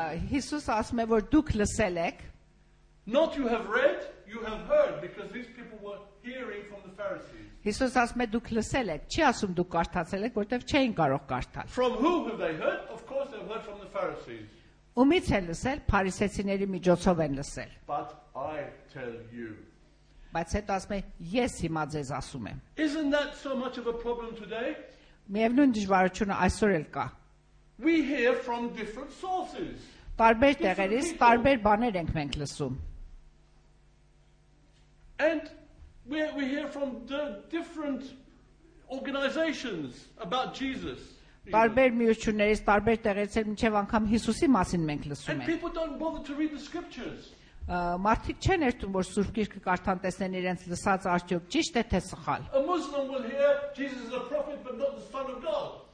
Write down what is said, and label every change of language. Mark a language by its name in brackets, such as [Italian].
[Armenian] Հիսուս ասում է, որ դուք լսել եք. [English] Not you have read, you have heard, because these people were hearing from the Pharisees. [Armenian] Հիսուս ասում է, դուք լսել եք, չի ասում դուք կարդացել եք, որտեվ չէին կարող կարդալ. [English] From who have they heard? Of course they have heard from the Pharisees. [Armenian] Ումից են լսել? Փարիսեցիների միջոցով են լսել. [English] But I tell you. [Armenian] Բայց հետո ասում է, ես հիմա ձեզ ասում եմ. [English] Isn't that so much of a problem today? [Armenian] Միևնույն դժվարությունը այսօր էլ կա. [English] We hear from different sources. [Armenian] Տարբեր տեղերից տարբեր բաներ ենք մենք լսում. [English] And we hear from the different organizations about Jesus. [Armenian] Տարբեր միություններից տարբեր տեղերից էլ մինչև անգամ Հիսուսի մասին մենք լսում ենք. [English] And people don't bother to read the scriptures. [Armenian] Մարդիկ չեն երթում, որ Սուրբ Գիրքը կարդան, տեսնեն իրենց լսած արդյոք ճիշտ է թե սխալ. [English] A Muslim will hear Jesus is a prophet but not the son of God.